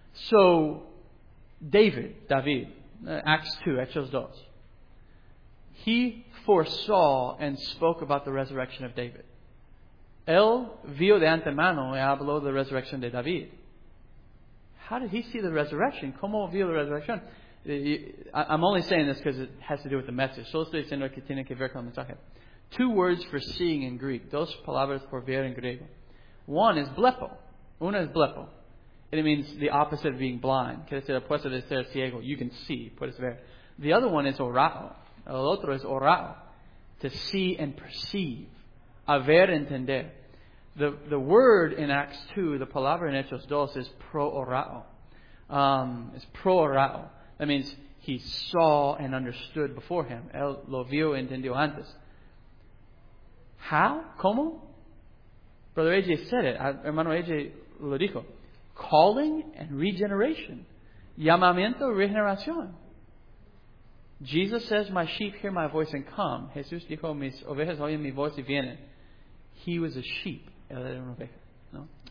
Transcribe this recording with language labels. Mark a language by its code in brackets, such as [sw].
[en] So David, Acts 2, [es] Hechos 2, [en] he foresaw and spoke about the resurrection of David. [es] Él vio de antemano y habló de la resurrección de David. [en] How did he see the resurrection? [es] ¿Cómo vio la resurrección? [en] I'm only saying this because it has to do with the message. [es] Solo estoy diciendo que tiene que ver con el mensaje. [en] Two words for seeing in Greek. [es] Dos palabras por ver en griego. One is blepo. Una es blepo. [en] And it means the opposite of being blind. [es] Quiere decir, puede de ser ciego. [en] You can see. [es] Puedes ver. [en] The other one is orao. [es] El otro es orao. [en] To see and perceive. [es] Haber entender. [en] The word in Acts 2, the [es] palabra en Hechos 2, [en] is pro-orao. It's pro-orao. That means he saw and understood before him. [es] Él lo vio y entendió antes. [en] How? [es] ¿Cómo? [en] Brother AJ said it. [es] Hermano AJ lo dijo. [en] Calling and regeneration. [es] Llamamiento y regeneración. [en] Jesus says, my sheep hear my voice and come. [es] Jesús dijo, mis ovejas oyen mi voz y vienen. [en] He was a sheep. [es] Él era una oveja, ¿no?